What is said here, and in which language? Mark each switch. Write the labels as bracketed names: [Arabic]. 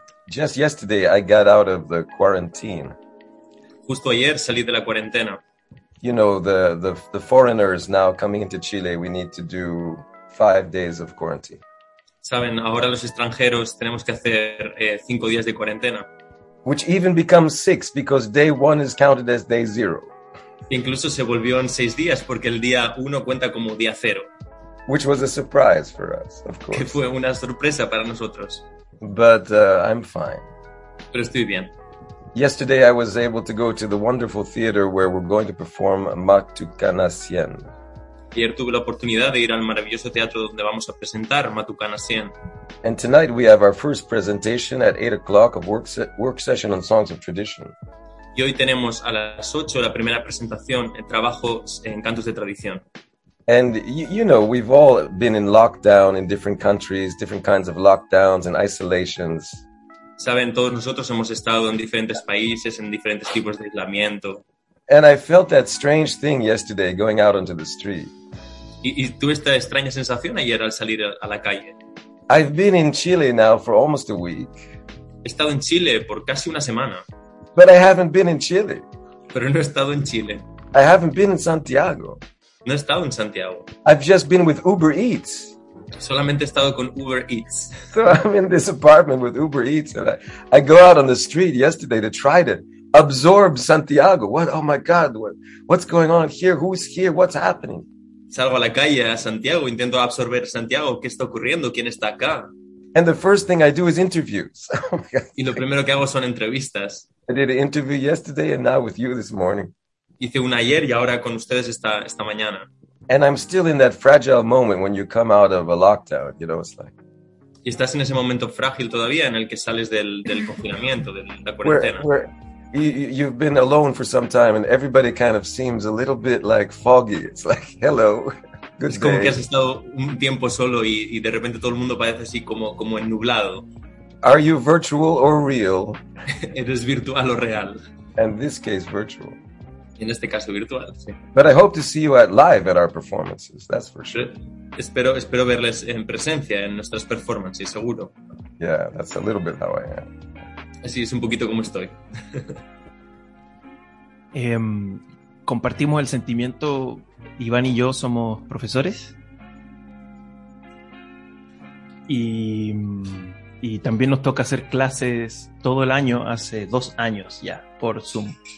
[English] Just yesterday I got out of the quarantine. [Spanish] Justo ayer salí de la cuarentena. [English] You know, the foreigners now coming into Chile, we need to do 5 days of quarantine. [Spanish] Saben, ahora los extranjeros tenemos que hacer 5 días de cuarentena. [English] Which even becomes 6 because day 1 is counted as day 0. [Spanish] Incluso se volvió en 6 días porque el día 1 cuenta como día 0. [English] Which was a surprise for us, of course. [Spanish] Que fue una sorpresa para nosotros. [English] But I'm fine. [Spanish] Pero estoy bien. [English] Yesterday I was able to go to the wonderful theater where we're going to perform Matucana 100. [Spanish] Ayer tuve la oportunidad de ir al maravilloso teatro donde vamos a presentar Matucana 100. [English] And tonight we have our first presentation at 8 o'clock of work session on songs of tradition. [Spanish] Y hoy tenemos a las 8 la primera presentación en trabajos en cantos de tradición. [English] And, you know, we've all been in lockdown in different countries, different kinds of lockdowns and isolations. [Spanish] saben, todos nosotros hemos estado en diferentes países, en diferentes tipos de aislamiento. [English] And I felt that strange thing yesterday going out onto the street. [Spanish] Y tuve esta extraña sensación ayer al salir a la calle. [English] I've been in Chile now for almost a week. [Spanish] He estado en Chile por casi una semana. [English] But I haven't been in Chile. [Spanish] Pero no he estado en Chile. [English] I haven't been in Santiago. [Spanish] No he estado en Santiago. [English] I've just been with Uber Eats. [Spanish] Solamente he estado con Uber Eats. [English] So I'm in this apartment with Uber Eats, and I go out on the street yesterday to try to absorb Santiago. What? Oh my God! What's going on here? Who's here? What's happening? [Spanish] Salgo a la calle a Santiago, intento absorber Santiago. ¿Qué está ocurriendo? ¿Quién está acá? [English] And the first thing I do is interviews. [Spanish] Y lo primero que hago son entrevistas. [English] I did an interview yesterday and now with you this morning. [Spanish] Hice una ayer y ahora con ustedes esta mañana. [English] And I'm still in that fragile moment when you come out of a lockdown, you know, it's like... [Spanish] Y estás en ese momento frágil todavía en el que sales del confinamiento, de la cuarentena. [English] You've been alone for some time and everybody kind of seems a little bit like foggy. It's like, hello, good day. [Spanish] Es como que has estado un tiempo solo y de repente todo el mundo parece así como ennublado. [English] Are you virtual or real? [Spanish] ¿Eres virtual o real? [English] In this case, virtual. [Spanish] En este caso, virtual, sí. [English] But I hope to see you live at our performances, that's for sure. [Spanish] Espero verles en presencia en nuestras performances, seguro. [English] Yeah, that's a little bit how I am. [Spanish] Así es un poquito como estoy. Compartimos el sentimiento, Iván y yo somos profesores. Y también nos toca hacer clases todo el año, hace 2 años ya, por Zoom.